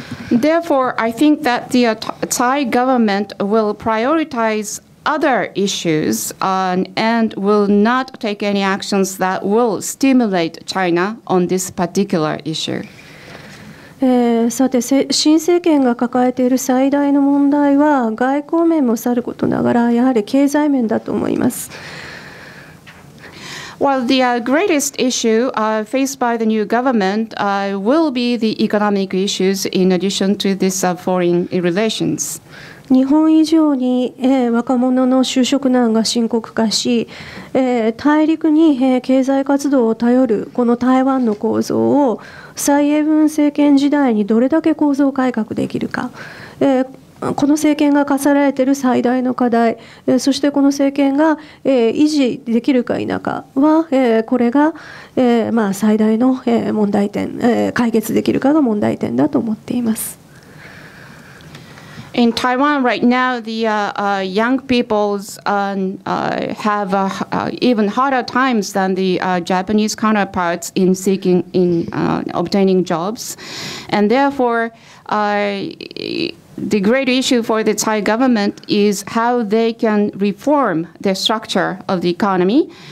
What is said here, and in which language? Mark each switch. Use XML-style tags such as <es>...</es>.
<en>Therefore, I think that the Thai government will prioritize other issues and will not take any actions that will stimulate China on this particular issue.</en> <ja>さて、新政権が抱えている最大の問題は外交面もさることながら、やはり経済面だと思います。</ja> <en>Well, the greatest issue faced by the new government will be the economic issues in addition to this foreign relations.</en> <ja>日本以上に若者の就職難が深刻化し、大陸に経済活動を頼るこの台湾の構造を蔡英文政権時代にどれだけ構造改革できるか、この政権が課せられている最大の課題、そしてこの政権が維持できるか否かは、これが、まあ、最大の問題点、解決できるかが問題点だと思っています。</ja> <en>In Taiwan right now, the young people have even harder times than the Japanese counterparts in seeking, in obtaining jobs. And therefore, the great issue for the Thai government is how they can reform the structure of the economy.</en>